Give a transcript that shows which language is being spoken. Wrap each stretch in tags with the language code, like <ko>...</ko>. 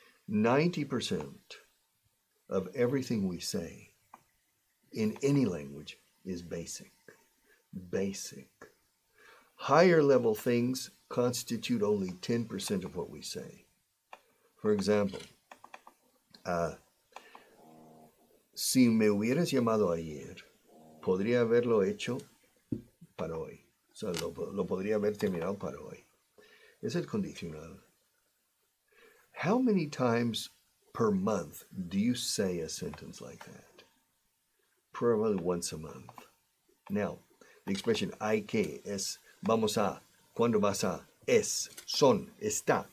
<en>90% of everything we say in any language is basic. Basic. Higher level things constitute only 10% of what we say. For example,</en> <es>si me hubieras llamado ayer, podría haberlo hecho para hoy. O sea, lo podría haber terminado para hoy. Es el condicional.</es> <en>How many times per month do you say a sentence like that? Probably once a month. Now, the expression</en> <es>hay que es vamos a, cuando vas a, es, son, está.</es>